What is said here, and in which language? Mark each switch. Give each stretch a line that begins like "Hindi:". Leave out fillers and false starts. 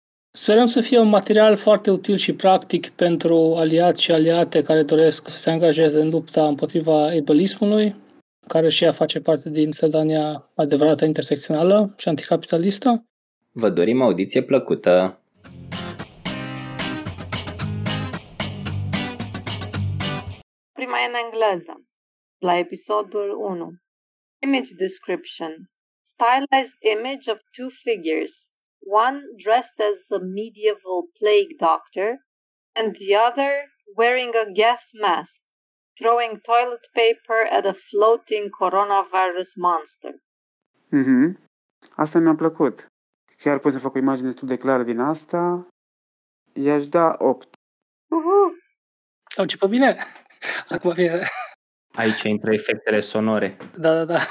Romanian: Sperăm să fie un material foarte util și practic pentru aliați și aliate care doresc să se angajeze în lupta împotriva ableismului, care și ea face parte din Sedania adevărată intersecțională și anticapitalistă. Vă dorim audiție plăcută! Prima e în engleză, la episodul 1.
English: Image description. Stylized image of two figures, one dressed as a medieval plague doctor and the other wearing a gas mask, throwing toilet paper at a floating coronavirus monster.
Romanian: Mm-hmm. Asta mi-a plăcut. Chiar pot să fac o imagine destul de clară din asta. I-aș da 8. Uhu! Ce pe bine! Acum vine. Aici intră efectele sonore. Da.